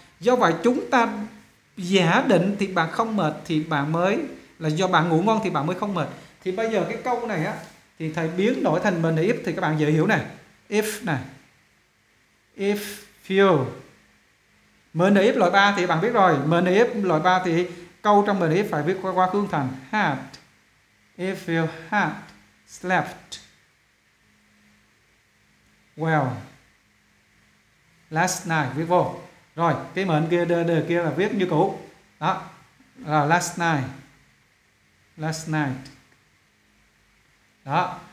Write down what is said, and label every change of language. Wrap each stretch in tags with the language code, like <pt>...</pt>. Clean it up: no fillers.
<vi>Do vậy chúng ta giả định thì bạn không mệt thì bạn mới là do bạn ngủ ngon thì bạn mới không mệt. Thì bây giờ cái câu này á thì thầy biến đổi thành mệnh đề if thì các bạn dễ hiểu này.</vi> <en>If này, if feel,</en> <vi>mệnh đề if loại 3 thì bạn biết rồi. Mệnh đề if loại 3 thì câu trong mệnh đề if phải viết qua quá khứ thành had.</vi> <en>If you had slept well last night,</en> <vi>viết vô. Rồi, cái mệnh kia đề kia là viết như cũ. Đó. Rồi</vi> <en>last night.</en> <vi>Đó.</vi>